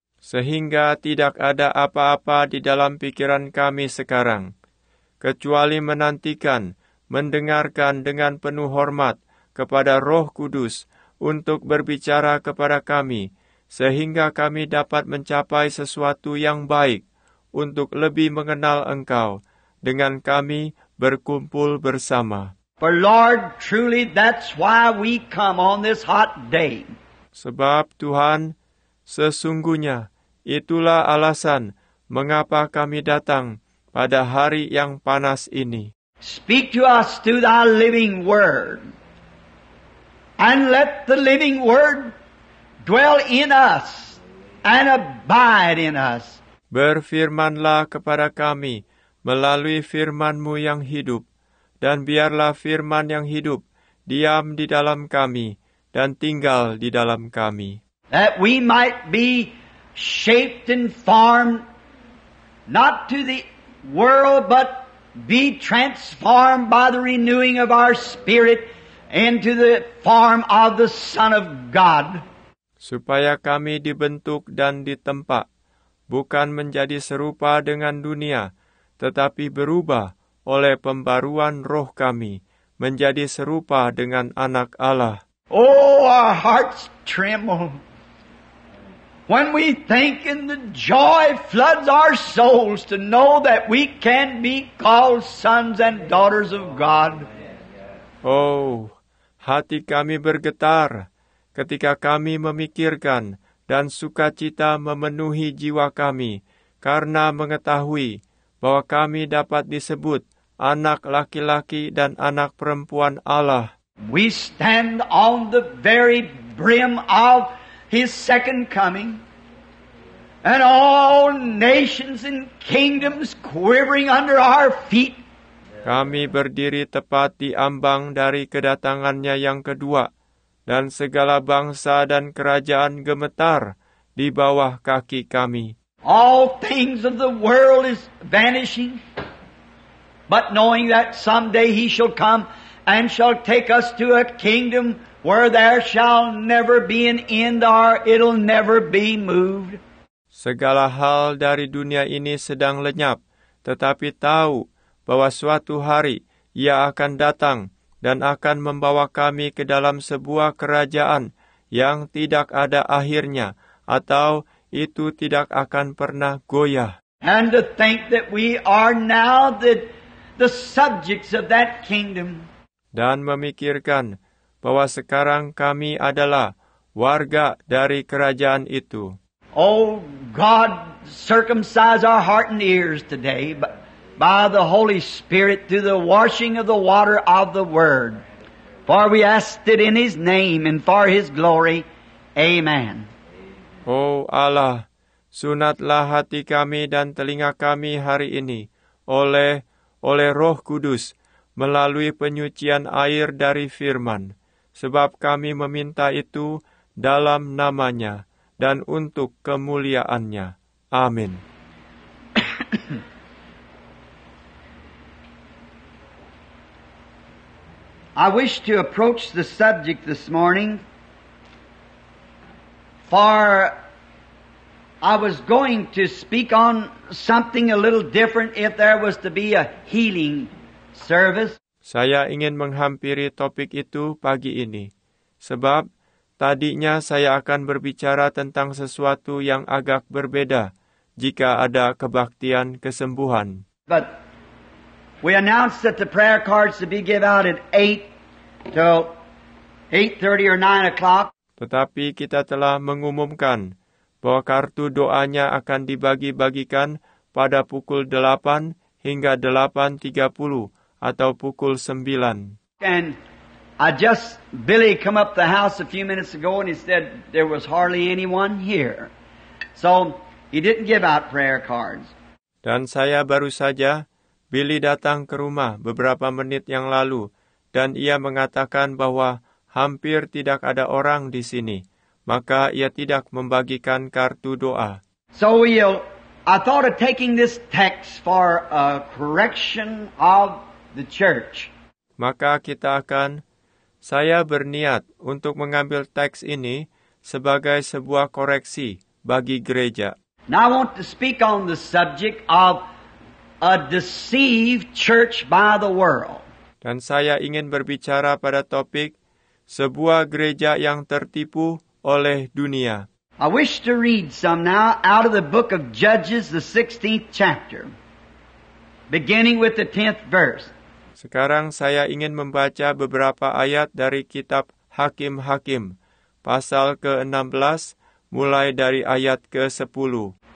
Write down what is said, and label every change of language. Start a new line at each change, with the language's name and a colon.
Indonesian: Sehingga tidak ada apa-apa di dalam pikiran kami sekarang, kecuali menantikan, mendengarkan dengan penuh hormat kepada Roh Kudus untuk berbicara kepada kami, sehingga kami dapat mencapai sesuatu yang baik untuk lebih mengenal Engkau dengan kami berkumpul bersama.
English: For Lord, truly that's why we come on this hot day.
Indonesian: Sebab Tuhan, sesungguhnya itulah alasan mengapa kami datang pada hari yang panas ini.
English: Speak to us through Thy living word. And let the living word dwell in us and abide in us.
Indonesian: Berfirmanlah kepada kami melalui firman-Mu yang hidup. Dan biarlah firman yang hidup diam di dalam kami dan tinggal di dalam kami.
English: That we might be shaped and formed not to the world but be transformed by the renewing of our spirit into the form of the Son of God.
Indonesian: Supaya kami dibentuk dan ditempa, bukan menjadi serupa dengan dunia, tetapi berubah oleh pembaruan roh kami, menjadi serupa dengan anak Allah.
English: Oh, our hearts tremble when we think and the joy floods our souls to know that we can be called sons and daughters of God.
Indonesian: Oh, hati kami bergetar ketika kami memikirkan dan sukacita memenuhi jiwa kami karena mengetahui bahwa kami dapat disebut anak laki-laki dan anak perempuan Allah.
English: We stand on the very brim of His second coming, and all nations and kingdoms quivering under our feet.
Indonesian: Kami berdiri tepat di ambang dari kedatangannya yang kedua, dan segala bangsa dan kerajaan gemetar di bawah kaki kami.
English: All things of the world is vanishing, but knowing that someday He shall come and shall take us to a kingdom where there shall never be an end or it'll never be moved.
Indonesian: Segala hal dari dunia ini sedang lenyap, tetapi tahu bahwa suatu hari Ia akan datang dan akan membawa kami ke dalam sebuah kerajaan yang tidak ada akhirnya, atau itu tidak akan pernah goyah.
English: And to think that we are now the subjects of that kingdom.
Indonesian: Dan memikirkan bahwa sekarang kami adalah warga dari kerajaan itu.
English: Oh God, circumcise our heart and ears today by the Holy Spirit through the washing of the water of the Word. For we ask it in His name and for His glory. Amen.
Indonesian: Oh Allah, sunatlah hati kami dan telinga kami hari ini oleh Roh Kudus melalui penyucian air dari Firman. Sebab kami meminta itu dalam nama-Nya dan untuk kemuliaan-Nya. Amin.
English: I wish to approach the subject this morning, for I was going to speak on something a little different if there was to be a healing service.
Indonesian: Saya ingin menghampiri topik itu pagi ini, sebab tadinya saya akan berbicara tentang sesuatu yang agak berbeda jika ada kebaktian kesembuhan.
English: But we announced that the prayer cards to be given out at 8 till 8:30 or 9 o'clock.
Indonesian: Tetapi kita telah mengumumkan bahwa kartu doanya akan dibagi-bagikan pada pukul 8 hingga 8:30. Atau pukul 9.
English: And I just Billy come up the house a few minutes ago and he said there was hardly anyone here. So he didn't give out prayer cards.
Indonesian: Dan saya baru saja Billy datang ke rumah beberapa menit yang lalu dan ia mengatakan bahwa hampir tidak ada orang di sini. Maka ia tidak membagikan kartu doa.
English: So I thought of taking this text for a correction of the church.
Indonesian: Maka kita akan saya berniat untuk mengambil teks ini sebagai sebuah koreksi bagi gereja.
English: Now I want to speak on the subject of a deceived church by the world.
Indonesian: Dan saya ingin berbicara pada topik sebuah gereja yang tertipu oleh dunia.
English: I wish to read some now out of the book of Judges, the 16th chapter, beginning with the 10th verse.
Indonesian: Sekarang saya ingin membaca beberapa ayat dari kitab Hakim-Hakim, pasal ke-16, mulai dari ayat ke-10.